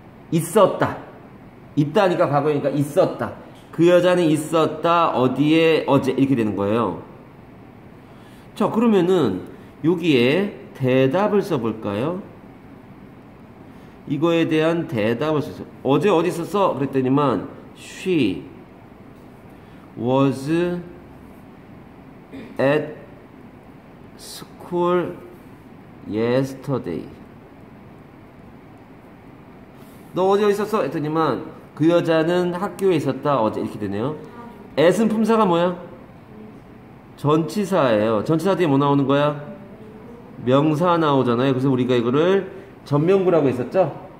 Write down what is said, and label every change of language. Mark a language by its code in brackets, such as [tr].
[ko] 있었다. 있다니까 과거니까 있었다. 그 여자는 있었다. 어디에 어제 이렇게 되는 거예요. 자 그러면은 여기에 대답을 써볼까요? 이거에 대한 대답을 써서 어제 어디 있었어? 그랬더니만 [en] she was at school yesterday. [ko] 너 어디 있었어? 했더니만 그 여자는 학교에 있었다. 어제 이렇게 되네요. at은 품사가 뭐야? 전치사예요. 전치사 뒤에 뭐 나오는 거야? 명사 나오잖아요. 그래서 우리가 이거를 전명구라고 했었죠?